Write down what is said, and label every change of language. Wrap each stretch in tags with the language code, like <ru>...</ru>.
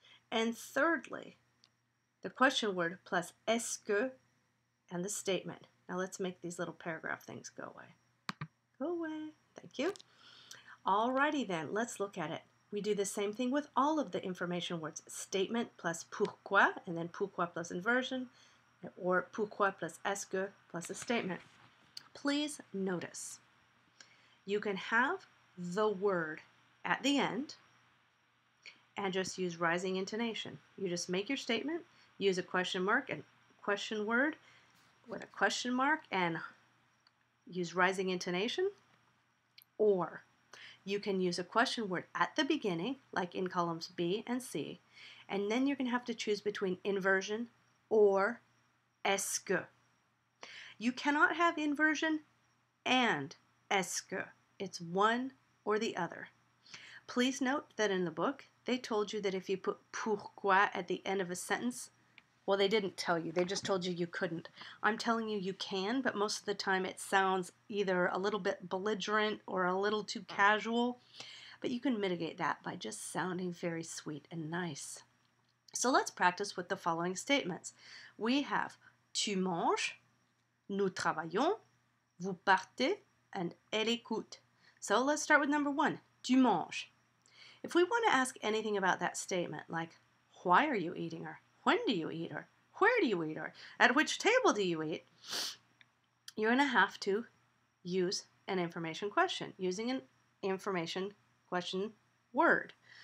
<en>And thirdly, the question word plus est-ce que and the statement. Now let's make these little paragraph things go away. Go away. Thank you. Alrighty then, let's look at it. We do the same thing with all of the information words. Statement plus pourquoi, and then pourquoi plus inversion, or pourquoi plus est-ce que plus a statement. Please notice, you can have the word at the end and just use rising intonation. You just make your statement, use a question mark and question word with a question mark and use rising intonation. Or you can use a question word at the beginning, like in columns B and C, and then you're going to have to choose between inversion or est-ce que. You cannot have inversion and est-ce que. It's one or the other. Please note that in the book, they told you that if you put pourquoi at the end of a sentence, well, they didn't tell you. They just told you you couldn't. I'm telling you you can, but most of the time it sounds either a little bit belligerent or a little too casual. But you can mitigate that by just sounding very sweet and nice. So let's practice with the following statements. We have</en> <fr>tu manges, nous travaillons, vous partez,</fr> <en>and</en> <fr>elle écoute.</fr> <en>So let's start with number one,</en> <fr>tu manges.</fr> <en>If we want to ask anything about that statement, like why are you eating her? When do you eat her? Where do you eat her? At which table do you eat? You're going to have to use an information question, using an information question word.</en>